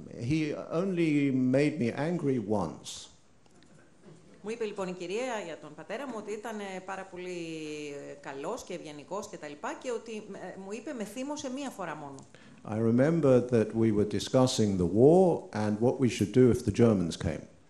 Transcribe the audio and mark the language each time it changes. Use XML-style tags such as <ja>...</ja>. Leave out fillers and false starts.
<en>He only made me angry once.</en> <el>Μου είπε λοιπόν η κυρία για τον πατέρα μου ότι ήταν πάρα πολύ καλός και ευγενικός και τα λοιπά και ότι μου είπε με θύμωσε μία φορά μόνο.</el> <en>I remember that we were discussing the war and what we should do if the Germans came.</en>